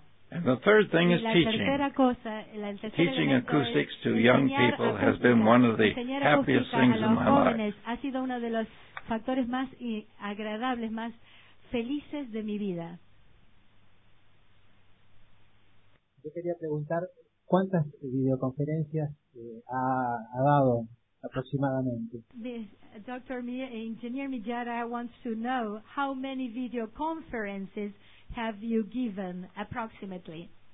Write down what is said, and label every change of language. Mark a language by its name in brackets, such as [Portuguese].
[English] And the third thing is teaching. Teaching acoustics to young people has been one of the happiest things in my life. [Spanish] Ha sido uno de los factores más agradables, más felices de mi vida. Yo quería preguntar cuántas videoconferencias ha dado aproximadamente. [English] Dr. Engineer Mijara wants to know how many video conferences have you given approximately?